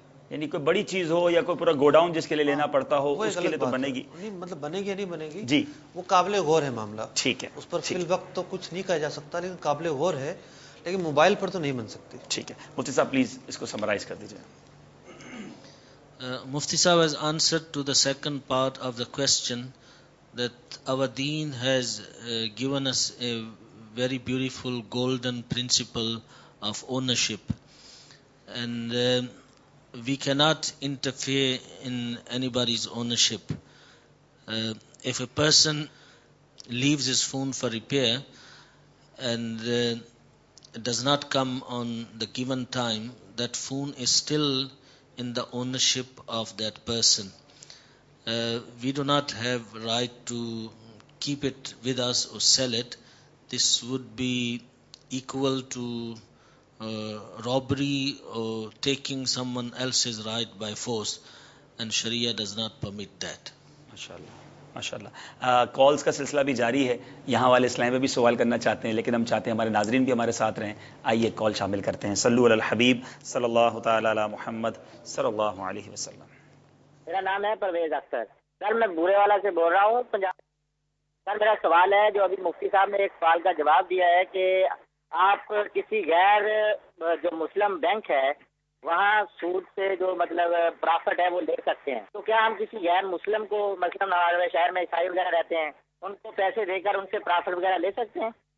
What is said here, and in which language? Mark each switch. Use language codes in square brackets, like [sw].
[ur] یعنی کوئی بڑی چیز ہو یا کوئی پورا گوڈاؤن جس کے لیے لینا پڑتا ہو, اس کے لیے تو بنے گی نہیں. مطلب بنے گی یا نہیں بنے گی جی, وہ قابل غور ہے معاملہ. ٹھیک ہے, اس پر فی الوقت تو کچھ نہیں کہا جا سکتا, لیکن قابل غور ہے, لیکن موبائل پر تو نہیں بن سکتی. ٹھیک ہے, مفتی صاحب پلیز اس کو سمرائز کر دیجیے. [en] Mufti Sahab has answered to the second part of the question that our deen has given us a very beautiful golden principle of ownership, and we cannot interfere in anybody's ownership. If a person leaves his phone for repair and does not come on the given time, that phone is still in the ownership of that person. We do not have right to keep it with us or sell it. This would be equal to robbery or taking someone else's right by force, and Sharia does not permit that. [ur] ماشاءاللہ. Calls کا سلسلہ بھی جاری ہے, یہاں والے اسلام میں بھی سوال کرنا چاہتے ہیں, لیکن ہم چاہتے ہیں ہمارے ناظرین بھی ہمارے ساتھ رہیں. آئیے کال شامل کرتے ہیں. [ar] صلو علی الحبیب صلی اللہ تعالی علی محمد [ur] صلی اللہ علیہ وسلم. میرا نام ہے پرویز اختر. سر, میں بورے والا سے بول رہا ہوں پنجاب. سر, میرا سوال ہے, جو ابھی مفتی صاحب نے ایک سوال کا جواب دیا ہے کہ آپ کسی غیر جو مسلم بینک ہے وہاں سود سے جو مطلب پرافٹ ہے وہ لے سکتے ہیں, تو کیا ہم کسی غیر مسلم کو, مسلم ہمارے شہر میں عیسائی وغیرہ رہتے ہیں, ان کو پیسے دے کر ان سے پرافٹ وغیرہ لے سکتے ہیں؟